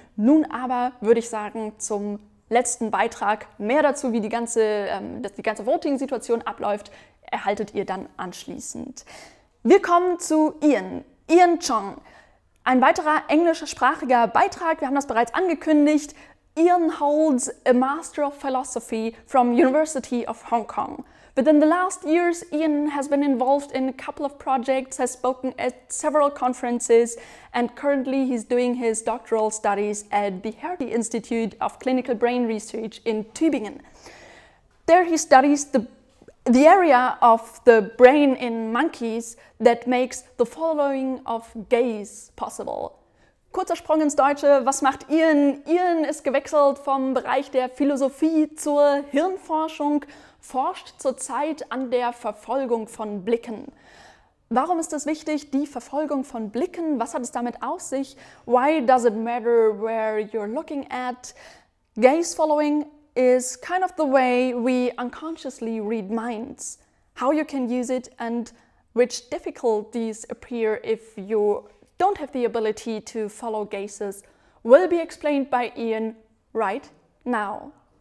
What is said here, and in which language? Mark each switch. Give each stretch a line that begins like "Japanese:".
German: Nun aber würde ich sagen, zum letzten Beitrag mehr dazu, wie die ganze Voting-Situation abläuft, erhaltet ihr dann anschließend. Wir kommen zu Ian Chong. Ein weiterer englischsprachiger Beitrag, wir haben das bereits angekündigt.
English: Ian holds a Master of Philosophy from University of Hong Kong. Within the last years, Ian has been involved in a couple of projects, has spoken at several conferences, and currently he's doing his doctoral studies at the Hertie Institute of Clinical Brain Research in Tübingen. There he studies the area of the brain in monkeys that makes the following of gaze possible.
German: Kurzer Sprung ins Deutsche. Was macht Ian? Ian ist gewechselt vom Bereich der Philosophie zur Hirnforschung, forscht zurzeit an der Verfolgung von Blicken. Warum ist es wichtig, die Verfolgung von Blicken? Was hat es damit auf sich?
English: Why does it matter where you're looking at? Gaze following is kind of the way we unconsciously read minds. How you can use it and which difficulties appear if you don't have the ability to follow gazes will be explained by Ian right now.